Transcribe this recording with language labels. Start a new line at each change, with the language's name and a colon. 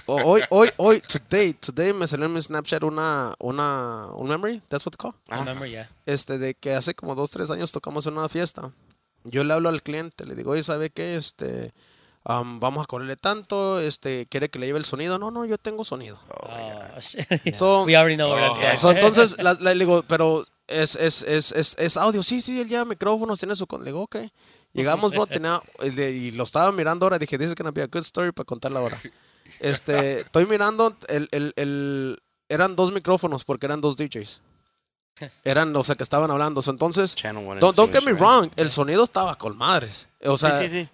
Spanish: Hoy,
English: today
Spanish: me salió en mi Snapchat un memory,
English: that's what they call. Ah. A memory, yeah.
Spanish: De que hace como 2-3 años tocamos en una fiesta. Yo le hablo al cliente, le digo, oye, ¿sabe qué? Vamos a correrle tanto, ¿quiere que le lleve el sonido? No, yo tengo sonido.
English: Oh, yeah. We already know where that's going.
Spanish: So, entonces, le digo, pero es audio. Sí, él lleva micrófonos, tiene su... Le digo, ok. Llegamos, bro, y lo estaba mirando ahora. Dije,
English: this is gonna be a good story
Spanish: para contarla ahora. Estoy mirando, eran dos micrófonos porque eran dos DJs. Eran, o sea, que estaban hablando. So, entonces,
English: don't get me wrong,
Spanish: el sonido estaba con madres. O sea, sí.